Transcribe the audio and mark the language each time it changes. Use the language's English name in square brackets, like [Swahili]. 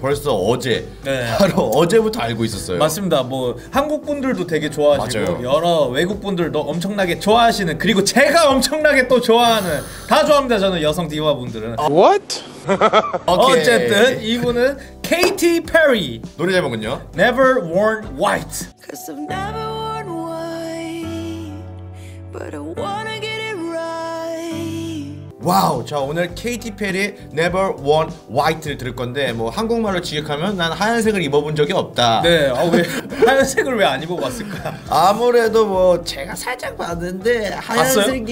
[Korean] 벌써 어제 네. 바로 어제부터 알고 있었어요. 맞습니다. 뭐 한국 분들도 되게 좋아하시고 맞아요. 여러 외국 분들도 엄청나게 좋아하시는 그리고 제가 엄청나게 또 좋아하는 다 좋아합니다. 저는 여성 디바 분들은 [English] What? [Korean] 어쨌든 이분은 Katy Perry 노래 제목은요? [English] Never Worn White. 'Cause I've never worn white, [Korean] but I wanna get 와우, 자 오늘 케이티 페리 Never Worn White를 들을 건데 뭐 한국말로 지적하면 난 하얀색을 입어본 적이 없다. 네, 아 왜 하얀색을 왜 안 입어봤을까? 아무래도 뭐 제가 살짝 봤는데 하얀색이